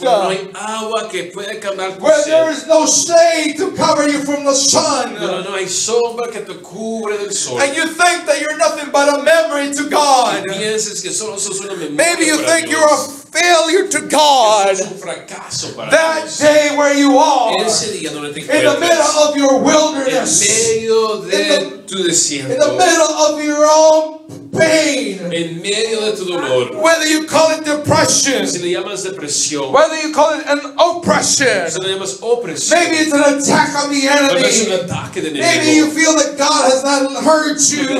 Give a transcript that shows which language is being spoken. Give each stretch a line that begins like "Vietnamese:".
Spanish: Cuando no hay agua que puede calmar tu
English: where
Spanish: sed.
English: There is no shade to cover you from the sun.
Spanish: Cuando no hay sombra que te cubre del sol.
English: And you think that you're nothing but a memory to God.
Spanish: Y piensas que solo sos una memoria.
English: Maybe you think
Spanish: Dios.
English: You're a failure to God. That day where you are, in the middle of your wilderness, in the middle of your own pain, whether you call it depression, whether you call it an oppression, maybe it's an attack on the enemy, maybe you feel that God has not heard you.